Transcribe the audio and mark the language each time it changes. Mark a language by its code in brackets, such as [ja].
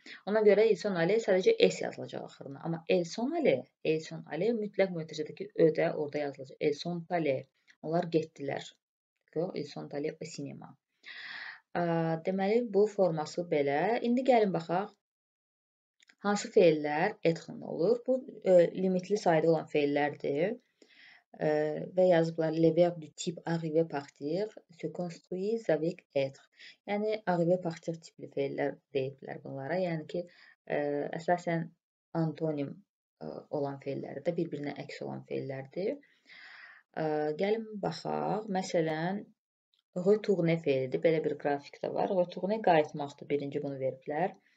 [az] Ona görə Elson Ali sadəcə S yazılacaq axırına. Amma Elson Ali mütləq mötəcədəki ödə orada yazılacaq. Elson Tali. Onlar getdilər. Elson Tali və sinema. Deməli, bu forması belə. İndi gəlin baxaq. Hansı feillər etxin olur? Bu, limitli sayda olan feillərdir. [fr] Və yazıblar, le verbe du type arrivé partir se construise avec être. [az] Yəni, arrivé partir tipli feillər deyiblər bunlara. Yəni ki, əsasən antonim olan feillərdir də bir-birinə əks olan feillərdir. Gəlin, baxaq. Məsələn, retourner feillidir. Belə bir qrafik də var. Retourner qayıtmaqdır. Birinci bunu veriblər.